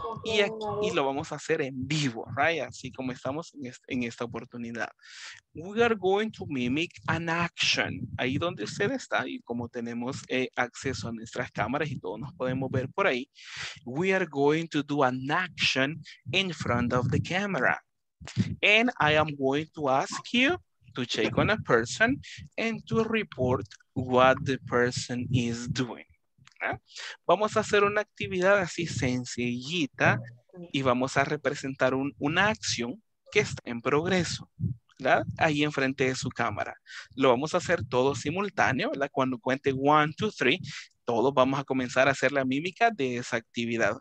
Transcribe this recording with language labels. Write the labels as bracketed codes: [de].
[es] Y aquí lo vamos a hacer en vivo, ¿right? Así como estamos en esta oportunidad. [en] We are going to mimic an action. [es] Ahí donde usted está y como tenemos acceso a nuestras cámaras y todos nos podemos ver por ahí. [en] We are going to do an action in front of the camera. And I am going to ask you to check on a person and to report what the person is doing. [es] Vamos a hacer una actividad así sencillita y vamos a representar una acción que está en progreso, ¿verdad? Ahí enfrente de su cámara. Lo vamos a hacer todo simultáneo, ¿verdad? Cuando cuente 1, 2, 3, todos vamos a comenzar a hacer la mímica de esa actividad.